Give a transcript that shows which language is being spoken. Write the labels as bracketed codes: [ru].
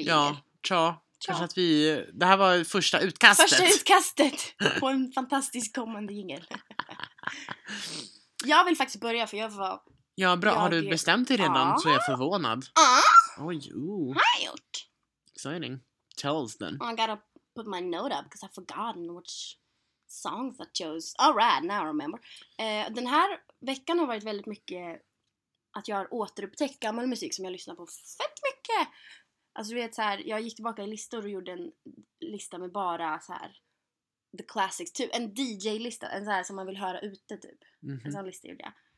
[sv] jingle. Ja. Kanske att vi... Det här var första utkastet. Första utkastet på en fantastisk kommande jingle. Jag vill faktiskt börja för jag var... Ja, bra. Har du bestämt dig redan så är jag förvånad. Ja. Oj, jo. Har jag gjort. [en] Exciting. Tell us then. I got a... put my note up because I've forgotten which songs I chose. Alright, now I remember. [sv] Den här veckan har varit väldigt mycket att jag har återupptäckt gammal musik som jag lyssnar på fett mycket. Alltså du vet så här, jag gick tillbaka i listor och gjorde en lista med bara så här [en] the classics, [sv] typ en DJ-lista, en så här som man vill höra ute typ. Mm-hmm. En sån lista gjorde jag.